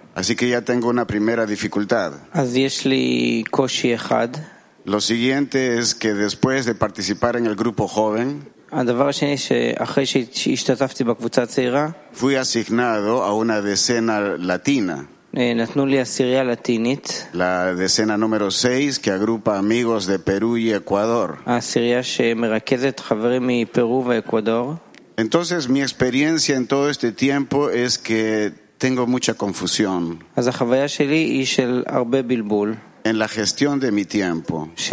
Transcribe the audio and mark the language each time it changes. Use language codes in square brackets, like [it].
[es] Así que ya tengo una primera dificultad. [he] אז יש לי קושי אחד. [es] Lo siguiente es que después de participar en el grupo joven, [he] הדבר השני שאחרי שהשתתפתי בקבוצה הצעירה, [es] fui asignado a una decena latina. [he] נתנו לי עשירייה לטינית. [es] La decena número 6 que agrupa amigos de Perú y Ecuador. [he] עשירייה שמרכזת חברים מפרו ואקוודור. [es] Entonces mi experiencia en todo este tiempo es que tengo mucha confusión. [he] אז החוויה שלי היא של הרבה בלבול. [es] en la gestión de mi tiempo.